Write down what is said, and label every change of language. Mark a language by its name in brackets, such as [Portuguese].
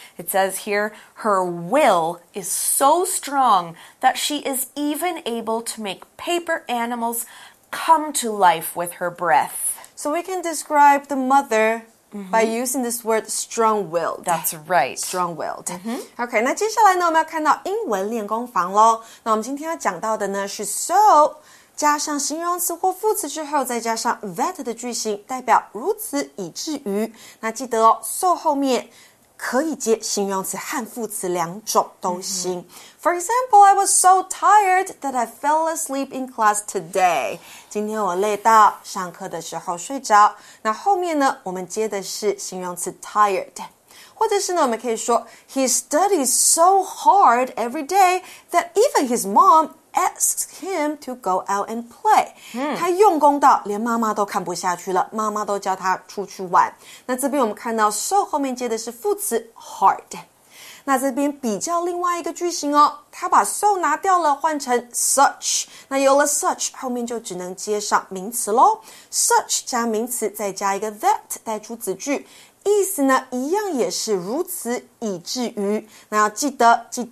[English] It says here, her will is so strong that she is even able to make paper animals come to life with her breath. So we can describe the mother by using this word strong-willed. That's right. Strong-willed. [Chinese] Okay, 那接下来呢我们要看到英文练功房咯。那我们今天要讲到的呢是 so, 加上形容词或副词之后再加上 that 的句型代表如此以至于。那记得哦 so 后面可以接形容词和副词两种都行。 [English] For example, I was so tired that I fell asleep in class today. [Chinese] 今天我累到上课的时候睡着。那后面呢我们接的是形容词 tired。或者是呢我们可以说 [English] He studies so hard every day that even his mom asks him to go out and play. [Chinese] 他用功到连妈妈都看不下去了妈妈都叫他出去玩。那这边我们看到 so 后面接的是副词 hard。那这边比较另外一个句型哦他把 so 拿掉了换成 such 那有了 such 后面就只能接上名词咯 such 加名词再加一个 that 带出子句意思呢一样也是如此以至于那要记得